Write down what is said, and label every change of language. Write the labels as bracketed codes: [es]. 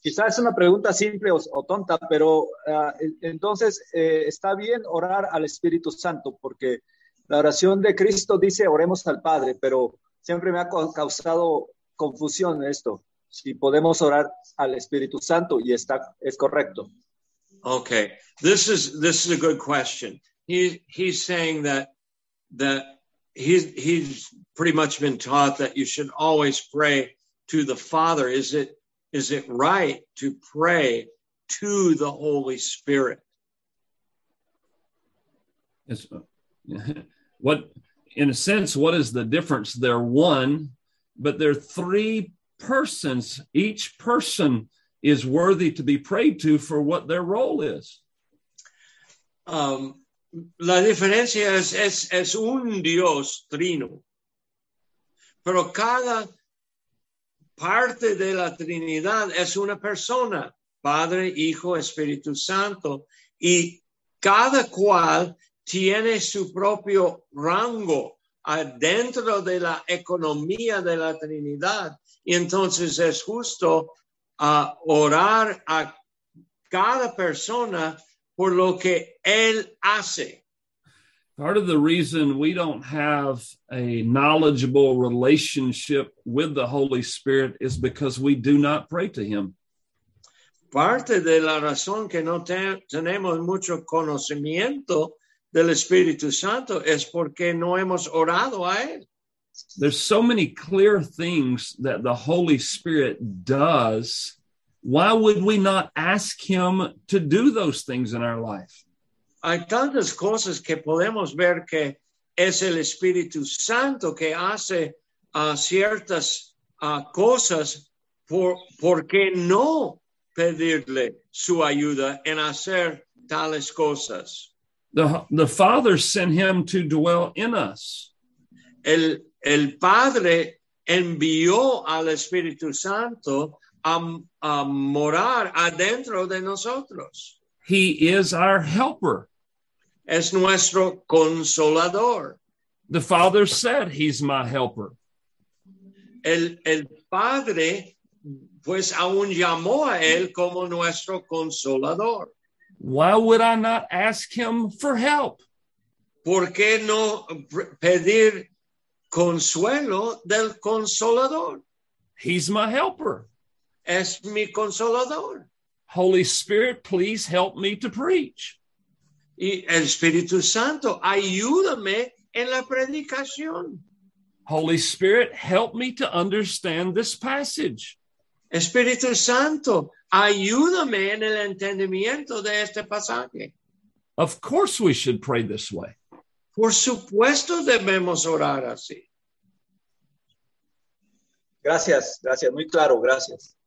[es] Quizás es una pregunta simple o tonta, pero entonces está bien orar al Espíritu Santo, porque la oración de Cristo dice oremos al Padre, pero siempre me ha causado confusión esto. Si podemos orar al Espíritu Santo y es correcto. [en] Okay. This is a good question. He's saying that he's pretty much been taught that you should always pray to the Father. Is it right to pray to the Holy Spirit? Yes. What, in a sense, what is the difference? They're one, but they're three persons. Each person is worthy to be prayed to for what their role is. [es] La diferencia es un Dios trino, pero cada parte de la Trinidad es una persona, Padre, Hijo, Espíritu Santo, y cada cual tiene su propio rango dentro de la economía de la Trinidad, y entonces es justo orar a cada persona por lo que él hace. [en] Part of the reason we don't have a knowledgeable relationship with the Holy Spirit is because we do not pray to him. [es] Parte de la razón que no tenemos mucho conocimiento del Espíritu Santo es porque no hemos orado a él. [en] There's so many clear things that the Holy Spirit does. Why would we not ask him to do those things in our life? [es] Hay tantas cosas que podemos ver que es el Espíritu Santo que hace ciertas cosas, ¿por qué no pedirle su ayuda en hacer tales cosas? [en] The Father sent him to dwell in us. [es] El Padre envió al Espíritu Santo a morar adentro de nosotros. [en] He is our helper. [es] Es nuestro consolador. [en] The Father said he's my helper. [es] El Padre, pues, aún llamó a él como nuestro consolador. [en] Why would I not ask him for help? [es] ¿Por qué no pedir consuelo del consolador? [en] He's my helper. [es] Es mi consolador. [en] Holy Spirit, please help me to preach. [es] Y el Espíritu Santo, ayúdame en la predicación. [en] Holy Spirit, help me to understand this passage. [es] Espíritu Santo, ayúdame en el entendimiento de este pasaje. [en] Of course we should pray this way. [es] Por supuesto debemos orar así. Gracias, gracias. Muy claro, gracias.